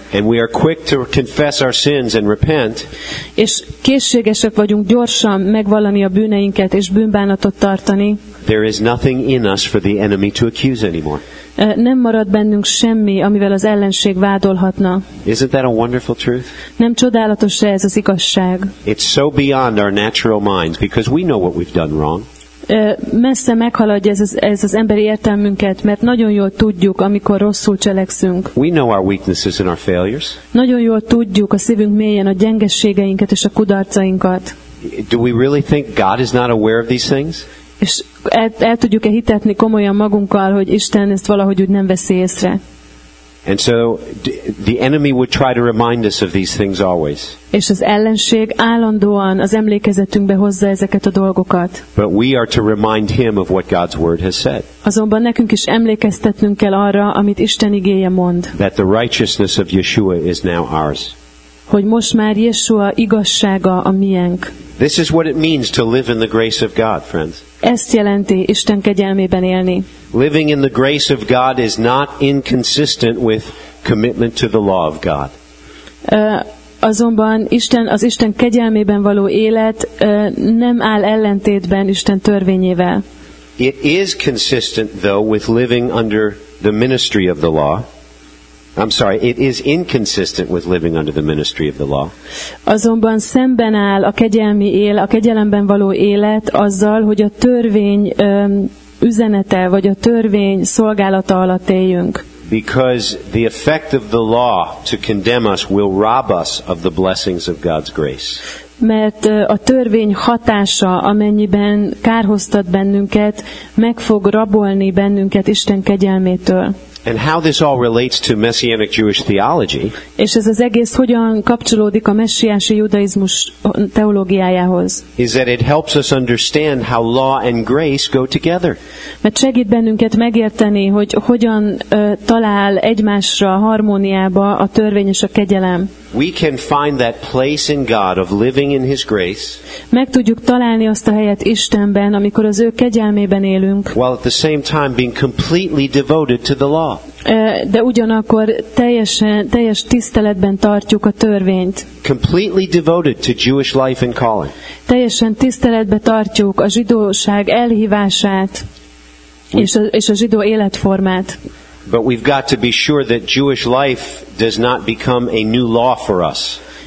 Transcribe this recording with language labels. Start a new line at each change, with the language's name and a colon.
English: and we are quick to confess our sins and repent,
Hungarian: és készségesek vagyunk gyorsan megvallani a bűneinket és bűnbánatot tartani,
English: there is nothing in us for the enemy to accuse anymore.
Hungarian: Nem marad bennünk semmi, amivel az ellenség vádolhatna.
English: Isn't that a wonderful truth?
Hungarian: Nem csodálatos-e ez az igazság?
English: It's so beyond our natural minds because we know what we've done wrong.
Hungarian: Messze meghaladja ez az emberi értelmünket, mert nagyon jól tudjuk, amikor rosszul cselekszünk.
English: We know our weaknesses and our failures.
Hungarian: Nagyon jól tudjuk a szívünk mélyen a gyengeségeinket és a kudarcainkat.
English: Do we really think God is not aware of these things?
Hungarian: És el tudjuk-e hitetni komolyan magunkkal, hogy Isten ezt valahogy úgy nem veszi észre?
English: And so the enemy would try to remind us of these things always.
Hungarian: És az ellenség állandóan az emlékezetünkbe hozza ezeket a dolgokat.
English: But we are to remind him of what God's word has said.
Hungarian: Azonban nekünk is emlékeztetnünk kell arra, amit Isten igéje mond.
English: That the righteousness of Yeshua is now ours.
Hungarian: Hogy most már Yeshua igazsága a miénk.
English: This is what it means to live in the grace of God, friends.
Hungarian: Ezt jelenti Isten kegyelmében élni.
English: Living in the grace of God is not inconsistent with commitment to the law of God.
Hungarian: Azonban az Isten kegyelmében való élet nem áll ellentétben Isten törvényével.
English: It is consistent though with living under the ministry of the law. I'm sorry, it is inconsistent with living under the ministry of the law.
Hungarian: Azonban szemben áll a kegyelemben való élet azzal, hogy a törvény üzenete vagy a törvény szolgálata alatt éljünk.
English: Because the effect of the law to condemn us will rob us of the blessings of God's grace.
Hungarian: Mert a törvény hatása, amennyiben kárhoztat bennünket, meg fog rabolni bennünket Isten kegyelmétől.
English: And how this all relates to messianic Jewish theology?
Hungarian: És ez az egész hogyan kapcsolódik a messiási judaizmus teológiájához?
English: Is that it helps us understand how law and grace go together?
Hungarian: Mert segít bennünket megérteni, hogy hogyan talál egymásra, harmóniába a törvény és a kegyelem.
English: We can find that place in God of living in His grace.
Hungarian: Meg tudjuk találni azt a helyet Istenben, amikor az ő kegyelmében élünk.
English: While at the same time being completely devoted to the law.
Hungarian: De ugyanakkor teljes tiszteletben tartjuk a törvényt.
English: Completely devoted to Jewish life and calling.
Hungarian: Teljesen tiszteletbe tartjuk a zsidóság elhívását és a zsidó életformát.
English: But we've got to be sure that Jewish life does not become a new law for us.